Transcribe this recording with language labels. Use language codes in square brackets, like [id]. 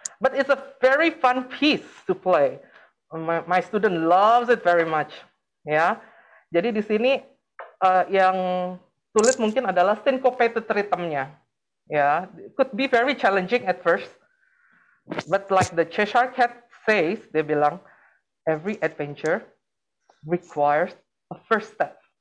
[en] But it's a very fun piece to play. My student loves it very much, ya. [id] Jadi di sini yang sulit mungkin adalah syncopated rhythm-nya, ya. [en] Could be very challenging at first, but like the Cheshire Cat says, [id] dia bilang, [en] every adventure requires a first step.